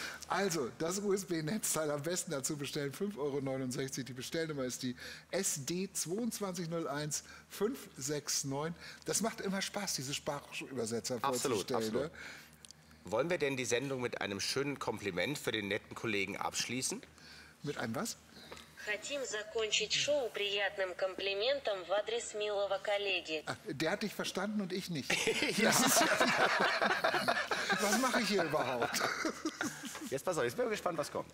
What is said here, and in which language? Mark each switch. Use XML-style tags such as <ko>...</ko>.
<de>Also, das USB-Netzteil am besten dazu bestellen, 5,69 Euro. Die Bestellnummer ist die SD2201569. Das macht immer Spaß, diese Sprachübersetzer vorzustellen. Absolut. Wollen wir denn die Sendung mit einem schönen Kompliment für den netten Kollegen abschließen? Mit einem was?</de> <ru>Хотим закончить шоу приятным комплиментом в адрес милого коллеги.</ru> <de>Der hat dich verstanden und ich nicht. Was mache ich hier überhaupt? Jetzt pass auf, jetzt bin ich gespannt, was kommt.</de>